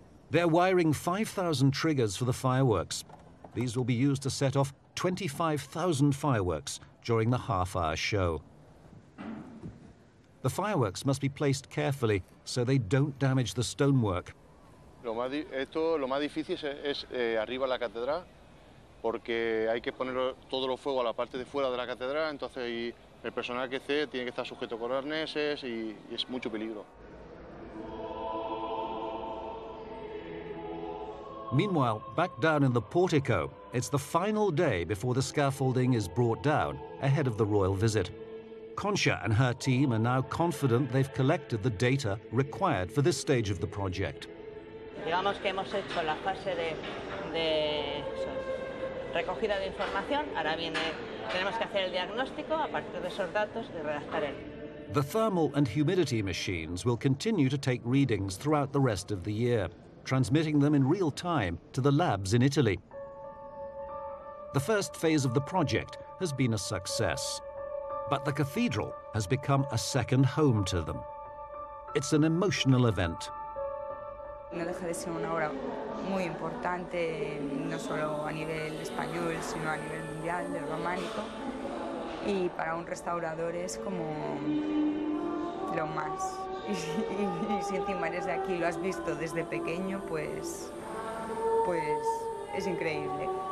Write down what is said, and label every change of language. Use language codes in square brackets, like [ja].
[en] They're wiring 5,000 triggers for the fireworks. These will be used to set off 25,000 fireworks during the half-hour show. The fireworks must be placed carefully so they don't damage the stonework. [es] Lo más difícil es arriba la catedral, porque hay que poner todo el fuego a la parte de fuera de la catedral, entonces el personal que esté tiene que estar sujeto con arneses y es mucho peligro. [en] Meanwhile, back down in the portico, it's the final day before the scaffolding is brought down ahead of the royal visit. Kcha and her team are now confident they've collected the data required for this stage of the project. [es] Digamos que hemos hecho la fase de recogida de información. Ahora viene, tenemos que hacer el diagnóstico a partir de esos datos y redactar el. [en] The thermal and humidity machines will continue to take readings throughout the rest of the year, transmitting them in real time to the labs in Italy. The first phase of the project has been a success, but the cathedral has become a second home to them. It's an emotional event. [es] No deja de ser una obra muy importante, no solo a nivel español, sino a nivel mundial, del románico. Y para un restaurador es como lo más. Y si encima eres de aquí, lo has visto desde pequeño, pues es increíble.